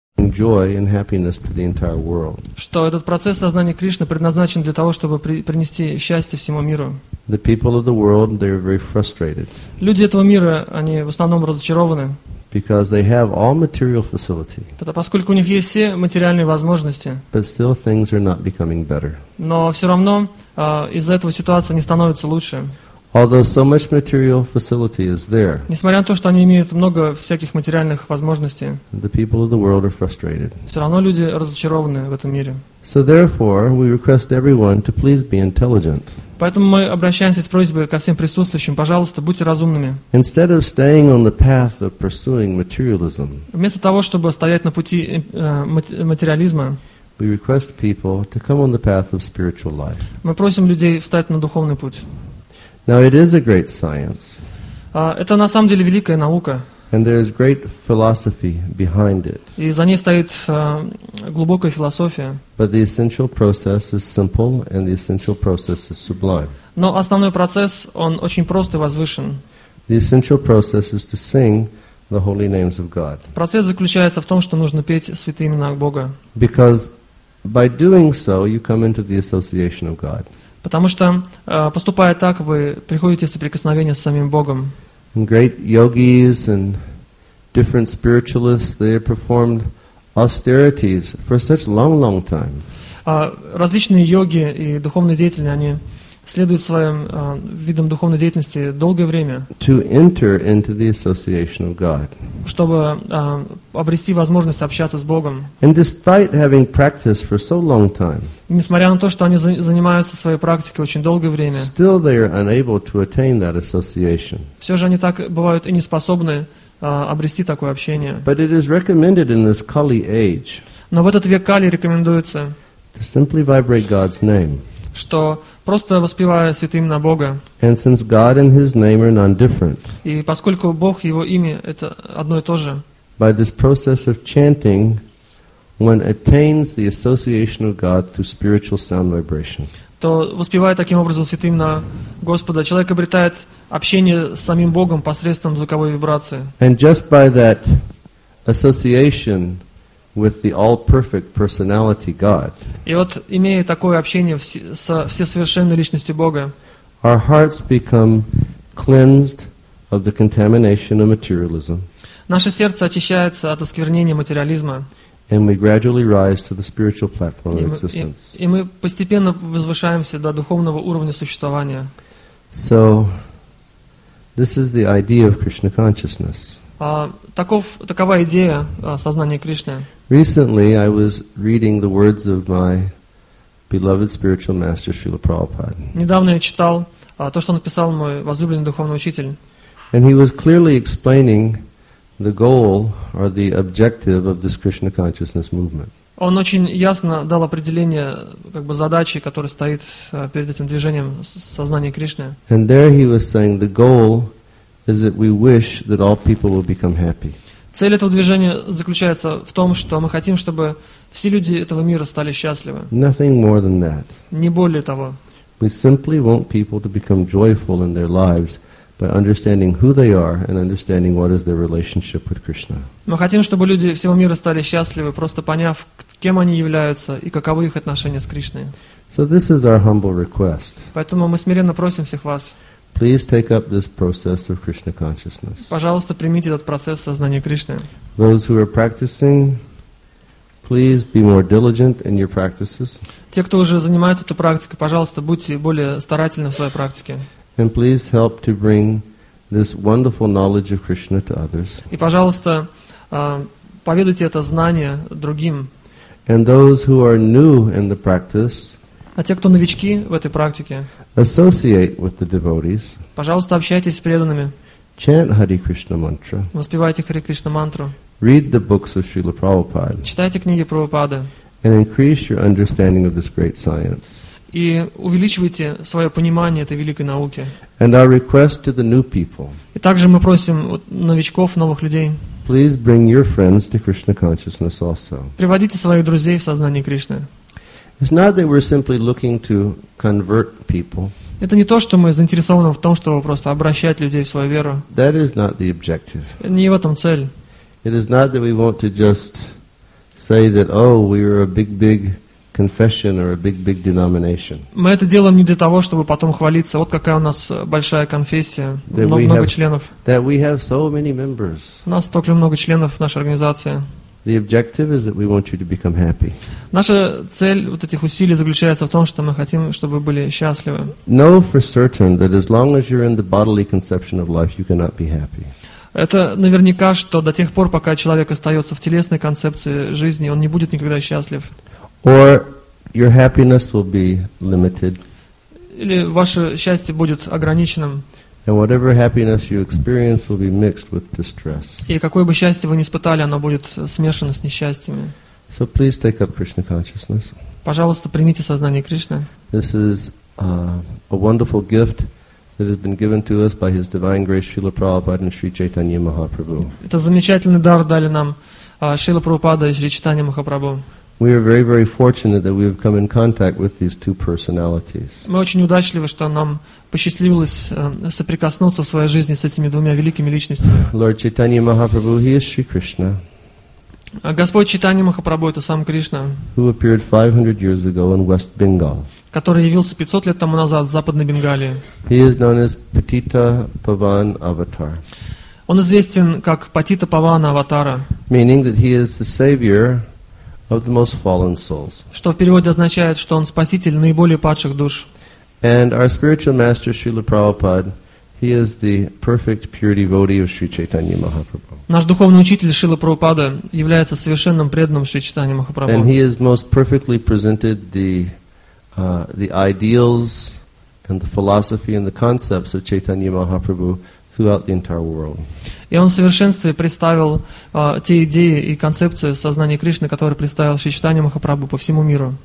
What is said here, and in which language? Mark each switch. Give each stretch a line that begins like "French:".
English: joy and happiness to the entire world.
Russian: Что этот процесс сознания Кришны предназначен для того, чтобы принести счастье всему миру.
English: The people of the world, they are very frustrated.
Russian: Люди этого мира, они в основном разочарованы.
English: Because they have all material facility.
Russian: Поскольку у них есть все материальные возможности.
English: But still things are not becoming better.
Russian: Но все равно из-за этого ситуация не становится лучше.
English: Although so much material facility is there.
Russian: Несмотря на то, что они имеют много всяких материальных возможностей.
English: The people of the world are frustrated.
Russian: Все равно люди разочарованы в этом мире.
English: So therefore, we request everyone to please be intelligent.
Russian: Поэтому мы обращаемся с просьбой ко всем присутствующим, пожалуйста, будьте разумными.
English: Instead of staying on the path of pursuing materialism.
Russian: Вместо того, чтобы стоять на пути материализма.
English: We request people to come on the path of spiritual life.
Russian: Мы просим людей встать на духовный путь.
English: Now it is a great science.
Russian: Это на самом деле великая наука.
English: And there is great philosophy behind it.
Russian: И за ней стоит глубокая философия.
English: But the essential process is simple, and the essential process is sublime.
Russian: Но основной процесс он очень прост и возвышен.
English: The essential process is to sing the holy names of God.
Russian: Процесс заключается в том, что нужно петь святые имена Бога.
English: Because by doing so, you come into the association of God.
Russian: Потому что, поступая так, вы приходите в соприкосновение с самим Богом.
English: Great yogis and different spiritualists, they performed austerities for such long, long time.
Russian: Различные йоги и духовные деятели, они следуют своим видам духовной деятельности долгое время.
English: To enter into the association of God.
Russian: Чтобы обрести возможность общаться с Богом.
English: And despite having practiced for so long time.
Russian: Несмотря на то, что они занимаются своей практикой очень долгое время.
English: Still they are unable to attain that association.
Russian: Все же они так бывают и не способны обрести такое общение.
English: But it is recommended in this Kali age.
Russian: Но в этот век Кали рекомендуется.
English: To simply vibrate God's name.
Russian: Что просто воспевая святые имена Бога.
English: And since God and His name are non-different,
Russian: и поскольку Бог и Его имя – это одно и то же.
English: By this process of chanting, one attains the association of God through spiritual sound vibration.
Russian: То воспевая таким образом святые имена Господа, человек обретает общение с самим Богом посредством звуковой вибрации.
English: And just by that association with the all-perfect personality God.
Russian: И вот имея такое общение со всесовершенной личностью Бога,
English: our hearts become cleansed of the contamination of materialism.
Russian: Наше сердце очищается от осквернения материализма.
English: And we gradually rise to the spiritual platform of existence.
Russian: И мы постепенно возвышаемся до духовного уровня существования.
English: So this is the idea of Krishna consciousness.
Russian: Такова идея сознания Кришны.
English: Recently, I was reading the words of my beloved spiritual master Srila Prabhupada.
Russian: Недавно я читал то, что написал мой возлюбленный духовный учитель.
English: And he was clearly explaining the goal or the objective of this Krishna consciousness movement.
Russian: Он очень ясно дал определение как бы задачи, которая стоит перед этим движением сознания Кришны.
English: And there he was saying the goal is that we wish that all people will become happy.
Russian: Цель этого движения заключается в том, что мы хотим, чтобы все люди этого мира стали счастливы.
English: Nothing more than that.
Russian: Не более того.
English: We simply want people to become joyful in their lives by understanding who they are and understanding what is their relationship with Krishna.
Russian: Мы хотим, чтобы люди всего мира стали счастливы, просто поняв, кем они являются и каковы их отношения с Кришной.
English: So this is our humble request.
Russian: Поэтому мы смиренно просим всех вас.
English: Please take up this process of Krishna consciousness.
Russian: Пожалуйста, примите этот процесс сознания Кришны.
English: Those who are practicing, please be more diligent in your practices.
Russian: Те, кто уже занимается этой практикой, пожалуйста, будьте более старательны в своей практике.
English: And please help to bring this wonderful knowledge of Krishna to others.
Russian: И, пожалуйста, поведайте это знание другим.
English: And those who are new in the practice,
Russian: а те, кто новички в этой практике,
English: associate with the devotees.
Russian: Пожалуйста, общайтесь с преданными.
English: Chant Hare Krishna mantra.
Russian: Воспевайте Харе Кришна мантру.
English: Read the books of Srila Prabhupada.
Russian: Читайте книги Прабхупады.
English: And increase your understanding of this great science.
Russian: И увеличивайте свое понимание этой великой науки.
English: And our request to the new people.
Russian: И также мы просим новичков, новых людей.
English: Please bring your friends to Krishna consciousness also.
Russian: Приводите своих друзей в сознание Кришны.
English: It's not that we're simply looking to convert people.
Russian: Это не то, что мы заинтересованы в том, чтобы просто обращать людей в свою веру.
English: That is not the objective.
Russian: Не в этом цель.
English: It is not that we want to just say that, oh, we are a big, big confession or a big, big denomination.
Russian: Мы это делаем не для того, чтобы потом хвалиться. Вот какая у нас большая конфессия, много членов.
English: That we have so many members.
Russian: У нас столько много членов в нашей организации.
English: The objective is that we want you to become happy.
Russian: Наша цель вот этих усилий заключается в том, что мы хотим, чтобы вы были счастливы.
English: Know for certain that as long as you're in the bodily conception of life, you cannot be happy.
Russian: Это наверняка, что до тех пор, пока человек остается в телесной концепции жизни, он не будет никогда счастлив.
English: Or your happiness will be limited.
Russian: Или ваше счастье будет ограниченным.
English: And whatever happiness you experience will be mixed with distress.
Russian: И какое бы счастье вы ни испытали, оно будет смешано с несчастьями.
English: So please take up Krishna consciousness.
Russian: Пожалуйста, примите сознание Кришны.
English: This is a wonderful gift that has been given to us by His Divine Grace Srila Prabhupada and Sri Chaitanya Mahaprabhu.
Russian: Это замечательный дар дали нам Шрила Прабхупада и Шри Чайтанья Махапрабху.
English: We are very, very fortunate that we have come in contact with these two personalities.
Russian: Мы очень удачливы, что нам посчастливилось соприкоснуться в своей жизни с этими двумя великими личностями.
English: Lord Chaitanya Mahaprabhu, he is Sri Krishna.
Russian: Господь Чайтанья Махапрабху – это сам Кришна,
English: who appeared 500 years ago in West Bengal.
Russian: Который явился 500 лет тому назад в Западной Бенгалии.
English: He is known as Patita Pavan Avatar.
Russian: Он известен как Патита Павана Аватара.
English: Meaning that he is the savior of the most fallen souls.
Russian: Что в переводе означает, что он спаситель наиболее падших душ.
English: And our spiritual master Srila Prabhupada, he is the perfect pure devotee of Sri Chaitanya Mahaprabhu.
Russian: Наш духовный учитель Шрила Прабхупада является совершенным преданным Шри Чайтанья Махапрабху.
English: And he has most perfectly presented the ideals and the philosophy and the concepts of Chaitanya Mahaprabhu throughout the entire world.
Russian: И он в совершенстве представил те идеи и концепции сознания Кришны, которые представил Шри Чайтанья Махапрабху по всему миру.